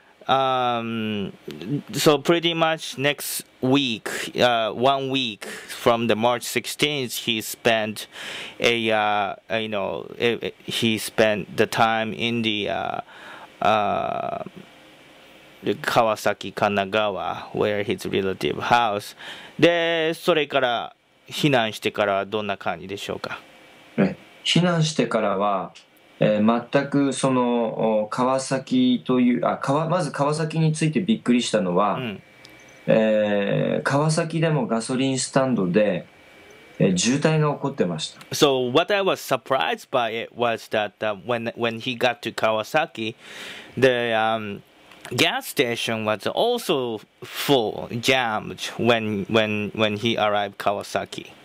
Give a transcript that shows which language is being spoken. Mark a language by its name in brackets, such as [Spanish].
[English] So pretty much next week, 1 week from the March 16th, he spent a you know, he spent the time in the Kawasaki Kanagawa, where his relative house. [Japanese] で、それから避難してからどんな感じでしょうか。避難してからは、全くその川崎という、あ、川、まず川崎についてびっくりしたのは、うん、川崎でもガソリンスタンドで、渋滞が起こってました。 [English] So what I was surprised by it was that when he got to Kawasaki, the gas station was also full, jammed when he arrived Kawasaki.